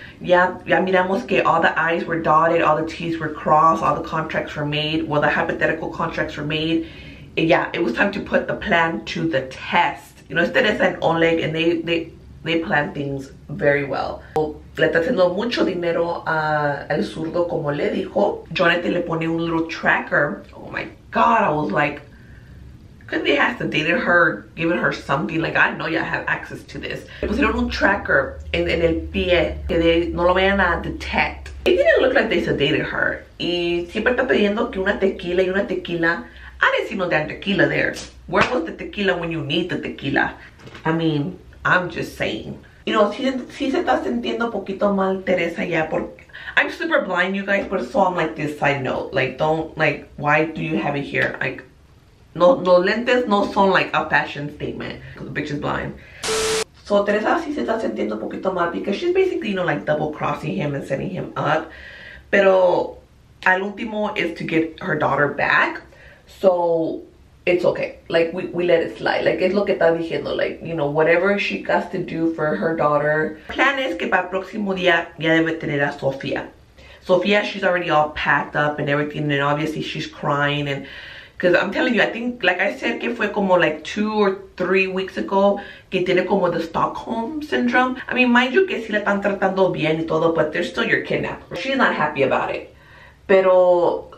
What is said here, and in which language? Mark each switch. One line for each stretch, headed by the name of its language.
Spanish: Ya miramos que
English: all the I's were dotted, all the T's were crossed, all the contracts were made. Well, the hypothetical contracts were made. Yeah, it was time to put the plan to the test. You know, Teresa and Oleg, and they plan things very well.
Spanish: Le está haciendo mucho dinero a el zurdo, como le dijo.
English: Jonathan
Spanish: le pone un
English: little tracker. Oh my God, I was like, couldn't they have sedated her, given her something? Like, I know y'all have access to this.
Spanish: Le pusieron un tracker en el pie que de, no lo vayan a detect.
English: It didn't look like they sedated her.
Spanish: Y siempre está pidiendo que una tequila y una tequila...
English: I didn't see no damn tequila there. Where was the tequila when you need the tequila? I mean, I'm just saying. You know,
Spanish: si se está sintiendo un poquito mal Teresa ya, porque...
English: I'm super blind, you guys, but so I'm like this side note. Like, don't, like, why do you have it here? Like,
Spanish: no, los lentes no son
English: like a fashion statement. Because the bitch is blind. So Teresa
Spanish: si se está sintiendo un poquito mal,
English: because she's basically, you know, like double-crossing him and setting him up.
Spanish: Pero al último
English: is to get her daughter back. So, it's okay. Like, we let it slide. Like,
Spanish: es lo que está diciendo.
English: Like, you know, whatever she has to do for her daughter.
Spanish: Plan es que para el próximo día ya debe tener a Sofía.
English: Sofía, she's already all packed up and everything. And obviously, she's crying. And because I'm telling you, I think, like I said,
Spanish: que fue como
English: like 2 or 3 weeks ago.
Spanish: Que tiene como
English: the Stockholm syndrome. I mean, mind you,
Spanish: que sí la están tratando bien y todo.
English: But they're still your kidnapper. She's not happy about it. Pero...